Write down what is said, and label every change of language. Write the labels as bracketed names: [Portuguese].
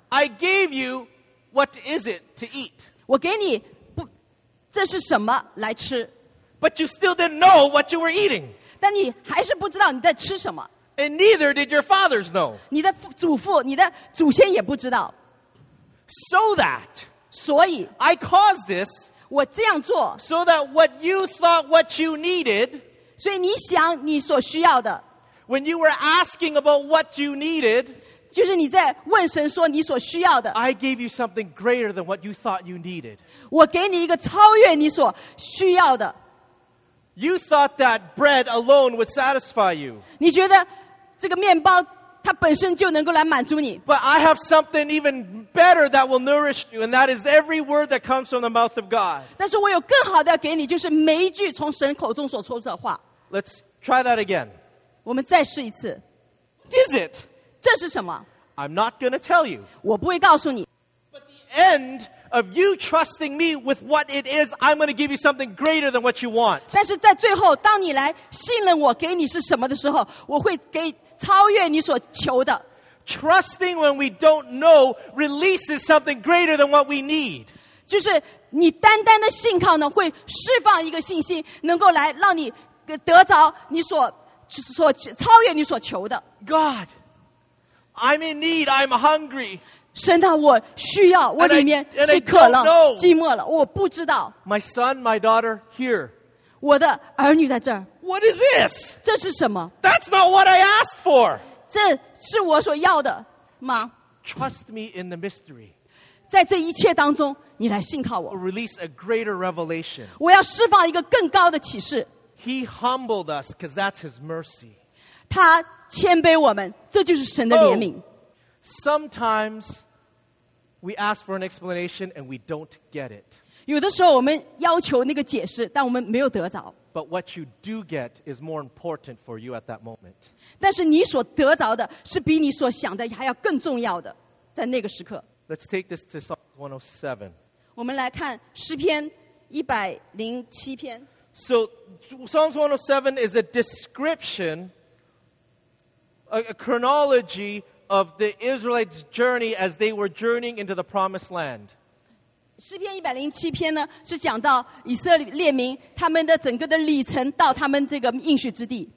[English] I gave you, what is it to eat? [Chinese] 我给你，这是什么来吃? [English] But you still didn't know what you were eating. [Chinese] 但你还是不知道你在吃什么。 [English] And neither did your fathers know. [Chinese] 你的祖父，你的祖先也不知道。 [English] So that, [Chinese] 所以, [English] I caused this [Chinese] 我这样做, [English] so that what you thought what you needed, [Chinese] 所以你想你所需要的, [English] when you were asking about what you needed, [Chinese] 就是你在问神说你所需要的, [English] I gave you something greater than what you thought you needed. [Chinese] 我给你一个超越你所需要的。 [English] You thought that bread alone would satisfy you. [Chinese] 你觉得这个面包 [English] But I have something even better that will nourish you, and that is every word that comes from the mouth of God. Let's try that again. What is it? [Chinese] 这是什么? [English] I'm not going to tell you. [Chinese] 我不会告诉你. [English] But the end of you trusting me with what it is, I'm going to give you something greater than what you want. [Chinese] 但是在最后, 当你来信任我给你是什么的时候, 我会给, [English] Trusting when we don't know releases something greater than what we need. [Chinese] 就是你单单的信靠呢, 会释放一个信心, 能够来让你得着你所, [English] God, I'm in need, I'm hungry. [Chinese] 神啊, 我需要, 我里面是渴了, [English] and I don't know. [Chinese] 寂寞了, 我不知道, [English] my son, my daughter, here. [Chinese] 我的儿女在这儿, [English] what is this? [Chinese] 这是什么? [English] That's not what I asked for. [Chinese] 这是我所要的吗? [English] Trust me in the mystery. [Chinese] 在这一切当中, 你来信靠我。 [English] I'll release a greater revelation. [Chinese] 我要释放一个更高的启示。 [English] He humbled us because that's his mercy. [Chinese] 他谦卑我们, 这就是神的怜悯。 [English] Oh, sometimes we ask for an explanation and we don't get it. [Chinese] 有的时候我们要求那个解释, 但我们没有得着。 [English] But what you do get is more important for you at that moment. [Chinese] 但是你所得着的是比你所想的还要更重要的, 在那个时刻。 [English] Let's take this to Psalm 107. [Chinese] 我们来看诗篇107篇。 [English] So Psalms 107 is a description, a chronology of the Israelites' journey as they were journeying into the promised land. [Chinese] 诗篇107篇呢, 是讲到以色列列民他们的整个的历程到他们这个应许之地。